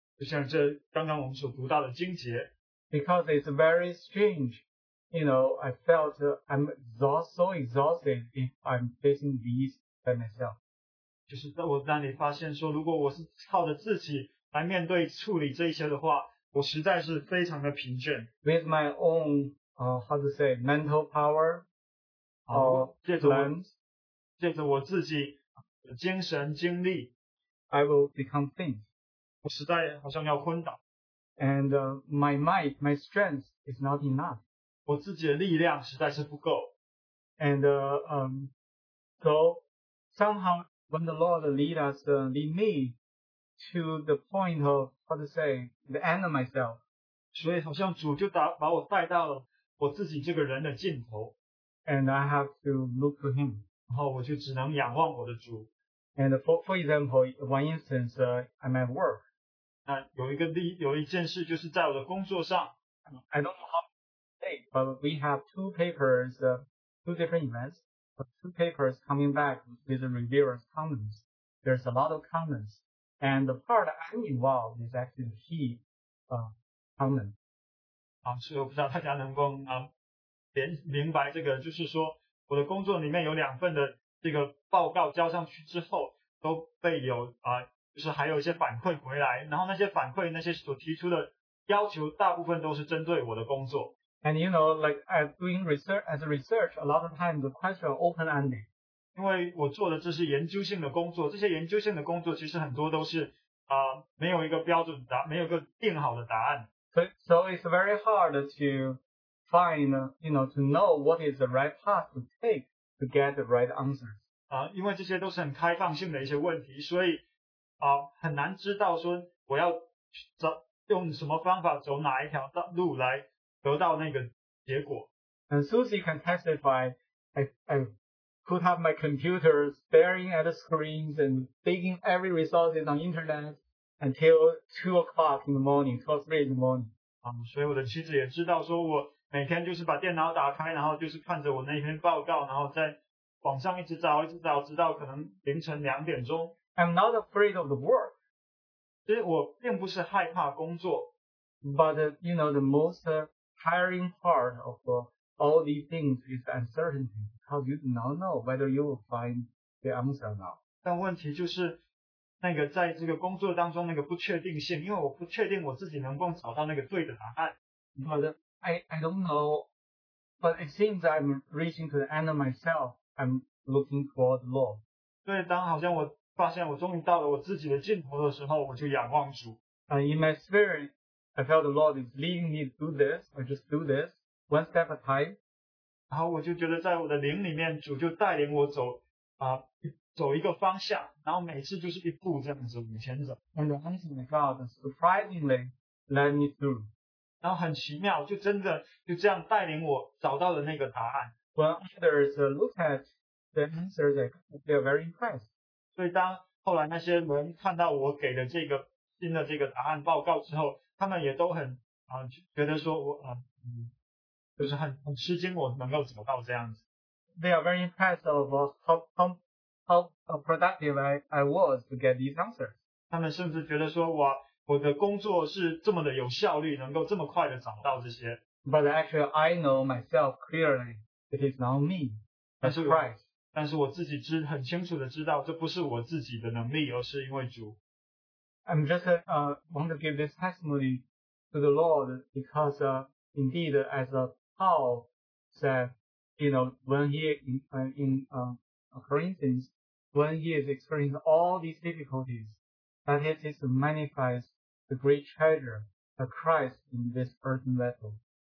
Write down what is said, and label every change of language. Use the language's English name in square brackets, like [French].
[Chinese] 就像这刚刚我们所读到的经节。 [English] Because it's very strange, I felt I'm so exhausted if I'm facing these by myself. [Chinese] 就是在我那里发现说，如果我是靠着自己来面对处理这些的话，我实在是非常的疲倦。 [English] With my own, mental power, or plans, [Chinese] 借着我自己。精神精力 [English] I will become faint. [Chinese] 我实在好像要昏倒。 [English] And my might, my strength is not enough. [Chinese] 我自己的力量实在是不够。 [English] And so somehow when the Lord lead me to the point of the end of myself. [Chinese] 所以好像主就把我带到了我自己这个人的尽头。 [English] And I have to look to Him. [Chinese] 然后我就只能仰望我的主。 [English] And for example, one instance, I'm at work. [Chinese] 那有一件事就是在我的工作上。 [English] I don't know how today, but we have two papers, two different events, but two papers coming back with the reviewer's comments. There's a lot of comments. And the part I'm involved is actually comment. [Chinese] 所以我不知道大家能够明白这个，就是说我的工作里面有两份的这个报告交上去之后，都被就是还有一些反馈回来，然后那些反馈，那些所提出的要求，大部分都是针对我的工作。 [English] And as doing research, as a research, a lot of times the question are open-ended. [Chinese] 因为我做的这是研究性的工作，这些研究性的工作其实很多都是没有一个标准答，没有一个定好的答案。 [English] So it's very hard to find, to know what is the right path to take. To get the right answers. [Chinese] 因为这些都是很开放性的一些问题，所以很难知道说我要走用什么方法走哪一条路来得到那个结果。 [English] And Susie can testify, I put up my computer, staring at the screens and digging every resource on the internet until 2 o'clock in the morning, 2 or 3 in the morning. [Chinese] 所以我的妻子也知道说我每天就是把电脑打开然后就是看着我那篇报告然后在网上一直找一直找直到可能凌晨两点钟。 [English] I'm not afraid of the work. [Chinese] 其实我并不是害怕工作。 [English] But, you know, the most tiring part of all these things is uncertainty. Because you do not know whether you will find the answer or not. [Chinese] 但问题就是那个在这个工作当中那个不确定性，因为我不确定我自己能够找到那个对的答案。 [English] But I don't know, but it seems I'm reaching to the end of myself. I'm looking for the Lord. [Chinese] 对，当好像我发现我终于到了我自己的尽头的时候，我就仰望主。 [English] In my spirit, I felt the Lord is leading me to do this. I just do this one step at a time. [Chinese] 然后我就觉得在我的灵里面，主就带领我走啊。走一个方向，然后每次就是一步这样子往前走。 [English] And the answer of God surprisingly led me through. [Chinese] 然后很奇妙，就真的就这样带领我找到了那个答案。 [English] When others look at the answer, they are very impressed. [Chinese] 所以当后来那些人看到我给的这个新的这个答案报告之后，他们也都很觉得说我就是很吃惊我能够找到这样子。 [English] They are very impressed of how productive I was to get these answers. [Chinese] 他们甚至觉得说哇我的工作是这么的有效率能够这么快的找到这些。 [English] But actually, I know myself clearly, it is not me, but Christ. [Chinese] 但是我自己知很清楚的知道这不是我自己的能力而是因为主。 [English] I'm just, want to give this testimony to the Lord because, indeed, as Paul said, you know, when he for instance, when he has experienced all these difficulties, that is his manifest the great treasure of Christ in this earthen vessel.